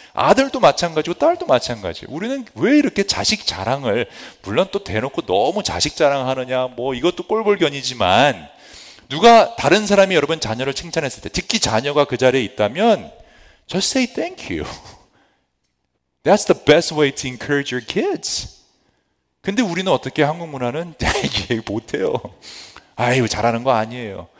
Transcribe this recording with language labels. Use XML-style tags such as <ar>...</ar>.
<ko>아들도 마찬가지고 딸도 마찬가지. 우리는 왜 이렇게 자식 자랑을, 물론 또 대놓고 너무 자식 자랑하느냐, 뭐 이것도 꼴불견이지만 누가 다른 사람이 여러분 자녀를 칭찬했을 때, 특히 자녀가 그 자리에 있다면</ko> <en>just say thank you. That's the best way to encourage your kids.</en> <ko>근데 우리는 어떻게 한국 문화는 이게 못해요. 아유 잘하는 거 아니에요.</ko>